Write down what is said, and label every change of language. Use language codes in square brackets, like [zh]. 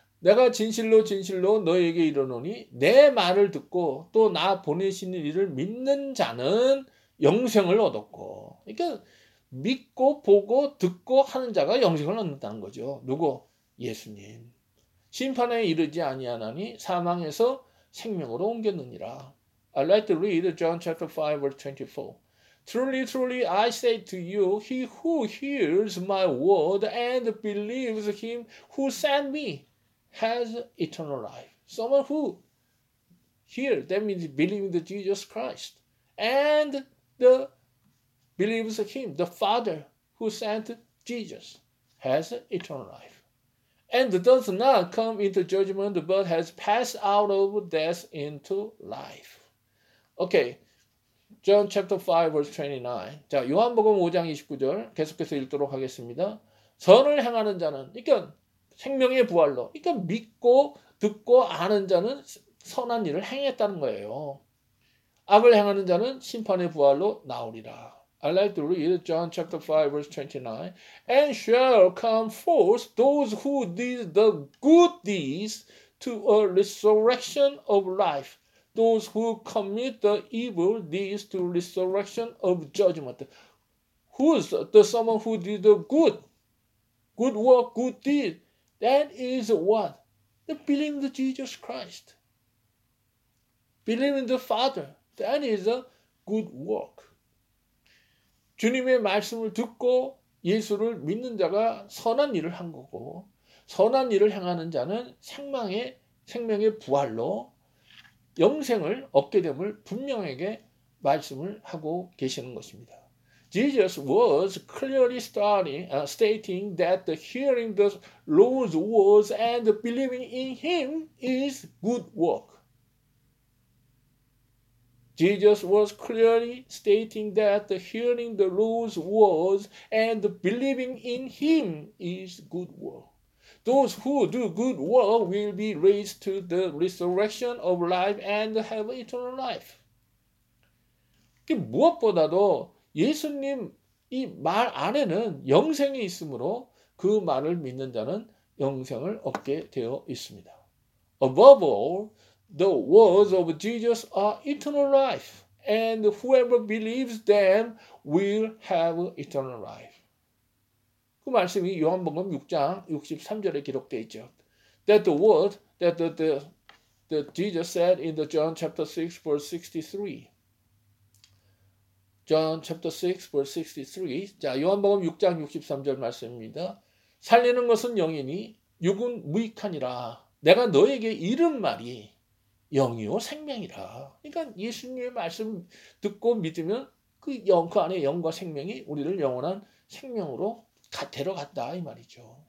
[ko] 내가 진실로 진실로 너에게 이르노니 내 말을 듣고 또 나 보내신 이를 믿는 자는 영생을 얻었고 그러니까 믿고 보고 듣고 하는 자가 영생을 얻는다는 거죠. 누구? 예수님. 심판에 이르지 아니하나니 사망에서 생명으로 옮겼느니라. [en] I'd like to read John chapter 5 verse 24. Truly, truly, I say to you, he who hears my word and believes him who sent me has eternal life. Someone who hears, that means believing Jesus Christ, and believes him, the Father who sent Jesus, has eternal life. And does not come into judgment, but has passed out of death into life. Okay. John chapter 5 verse 29. [ko] 자, 요한복음 5장 29절 계속해서 읽도록 하겠습니다. 선을 행하는 자는 그러니까 생명의 부활로 그러니까 믿고 듣고 아는 자는 선한 일을 행했다는 거예요. 악을 행하는 자는 심판의 부활로 나오리라. [en] I like to read John chapter 5 verse 29. And shall come forth those who did the good deeds to a resurrection of life. Those who commit the evil deeds to resurrection of judgment. Who's the someone who did the good work, good deed? That is what? The believing in Jesus Christ. Believing in the Father. That is a good work. [ko] 주님의 말씀을 듣고 예수를 믿는 자가 선한 일을 한 거고 선한 일을 행하는 자는 생명의 부활로 영생을 얻게 됨을 분명하게 말씀을 하고 계시는 것입니다. [en] Jesus was clearly stating that the hearing the Lord's words and believing in him is good work. Jesus was clearly stating that the hearing the Lord's words and believing in him is good work. Those who do good work will be raised to the resurrection of life and have eternal life. [ko] 무엇보다도 예수님 이 말 안에는 영생이 있으므로 그 말을 믿는 자는 영생을 얻게 되어 있습니다. [en] Above all, the words of Jesus are eternal life, and whoever believes them will have eternal life. [ko] 그 말씀이 요한복음 6장 63절에 기록되어 있죠. [en] That the word that the Jesus said in the John chapter 6 verse 63. John chapter 6 verse 63. [ko] 자, 요한복음 6장 63절 말씀입니다. 살리는 것은 영이니 육은 무익하니라. 내가 너에게 이른 말이 영이요 생명이라. 그러니까 예수님의 말씀 듣고 믿으면 그 안에 영과 생명이 우리를 영원한 생명으로 가태로 갔다 이 말이죠.